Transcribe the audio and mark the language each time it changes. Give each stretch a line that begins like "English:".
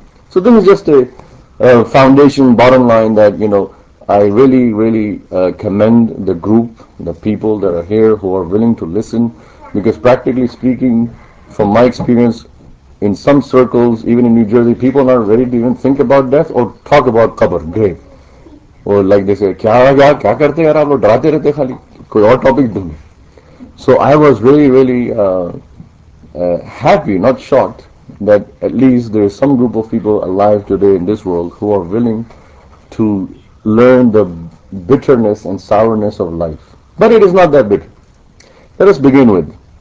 English: So this is just a foundation, bottom line that, you know, I really, really commend the group, the people that are here who are willing to listen. Because practically speaking, from my experience, in some circles, even in New Jersey, people are not ready to even think about death or talk about qabr, grave. Or like they say,
Hindi: क्या करते है आप लोग, डराते रहते खाली, कोई और topic दो.
English: So I was really, really happy, not shocked, that at least there is some group of people alive today in this world who are willing to learn the bitterness and sourness of life. But it is not that bitter. Let us begin with.